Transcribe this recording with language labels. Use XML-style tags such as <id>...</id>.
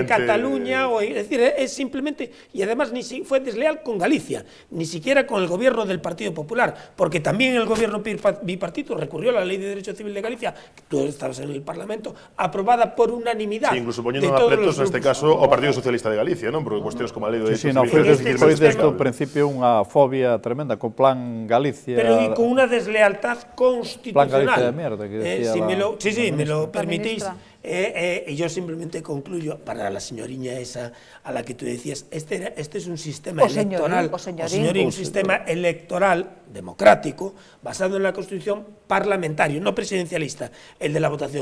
<es>en Cataluña, es decir, es simplemente, y además ni si fue desleal con Galicia, ni siquiera con el gobierno del Partido Popular, porque también el gobierno bipartito recurrió a la ley de derecho civil de Galicia, tú estabas en el Parlamento, aprobada por unanimidad. Sí, incluso poniendo en apretos, en este caso, o Partido Socialista de Galicia, ¿no?</es> <gl>Porque cuestións como a lei do Eixo... Foi desde o principio unha fobia tremenda co Plan Galicia... Pero e con unha deslealtad constitucional.</gl> <es>Plan Galicia de mierda, que decía... Si me lo permitís, Yo simplemente concluyo, para la señoriña esa a la que tú decías, este es un sistema electoral democrático basado en la Constitución parlamentario, no presidencialista, el de la votación.</es>